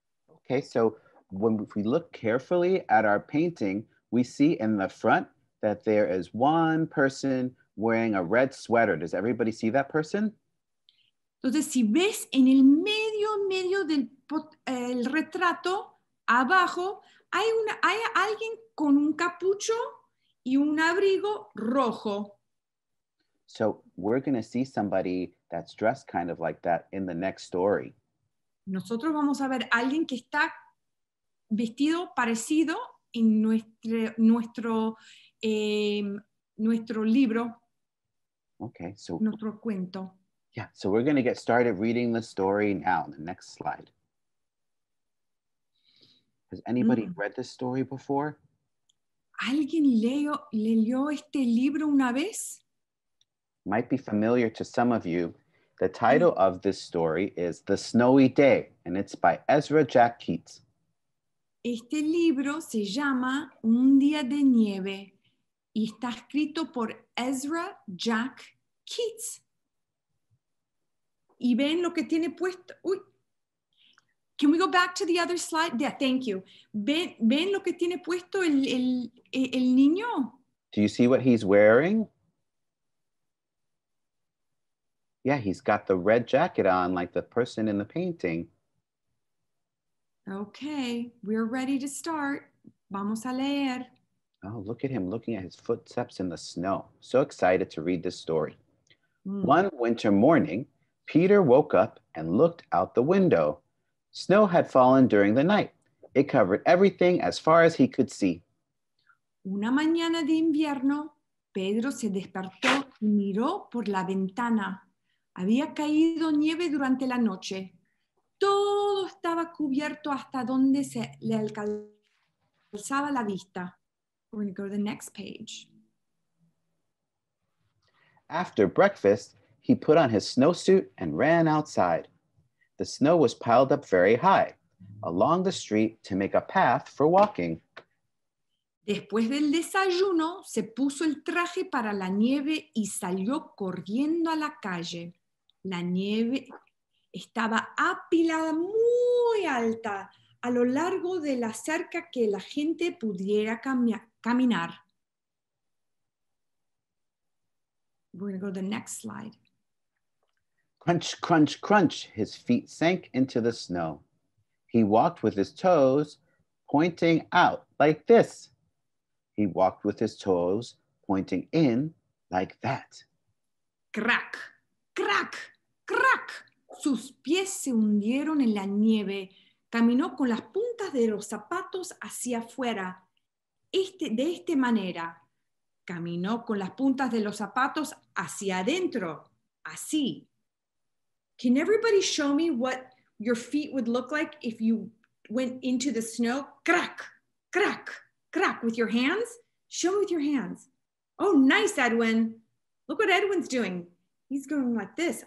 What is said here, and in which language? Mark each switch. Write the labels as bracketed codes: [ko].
[en] Okay, so when we look carefully at our painting, we see in the front that there is one person wearing a red sweater. Does everybody see that person? [es] Entonces, si ves en el medio del el retrato, abajo, hay alguien con un capucho y un abrigo rojo. [en] So we're going to see somebody that's dressed kind of like that in the next story. [es] Nosotros vamos a ver alguien que está vestido parecido en nuestro libro. [en] Okay, so [es] nuestro cuento. [en] Yeah, so we're going to get started reading the story now. The next slide. Has anybody read this story before? [es] ¿Alguien leyó este libro una vez? [en] Might be familiar to some of you. The title of this story is The Snowy Day, and it's by Ezra Jack Keats. [es] Este libro se llama Un Día de Nieve, y está escrito por Ezra Jack Keats. Y ven lo que tiene puesto. Uy. [en] Can we go back to the other slide? Yeah, thank you. [es] Ven lo que tiene puesto el niño. [en] Do you see what he's wearing? Yeah, he's got the red jacket on like the person in the painting. Okay, we're ready to start. [es] Vamos a leer. [en] Oh, look at him looking at his footsteps in the snow. So excited to read this story. Mm. One winter morning, Peter woke up and looked out the window. Snow had fallen during the night. It covered everything as far as he could see. [es] Una mañana de invierno, Pedro se despertó y miró por la ventana. Había caído nieve durante la noche. Todo estaba cubierto hasta donde se le alcanzaba la vista. [en] We're going to go to the next page. After breakfast, he put on his snowsuit and ran outside. The snow was piled up very high along the street to make a path for walking. [es] Después del desayuno, se puso el traje para la nieve y salió corriendo a la calle. La nieve estaba apilada muy alta a lo largo de la cerca que la gente pudiera caminar. [en] We're going to go to the next slide. Crunch, crunch, crunch, his feet sank into the snow. He walked with his toes pointing out like this. He walked with his toes pointing in like that. [es] Crack, crack, crack. Sus pies se hundieron en la nieve. Caminó con las puntas de los zapatos hacia afuera. De esta manera. Caminó con las puntas de los zapatos hacia adentro. Así. [en] Can everybody show me what your feet would look like if you went into the snow? Crack, crack, crack with your hands. Show me with your hands. Oh, nice, Edwin. Look what Edwin's doing. He's going like this.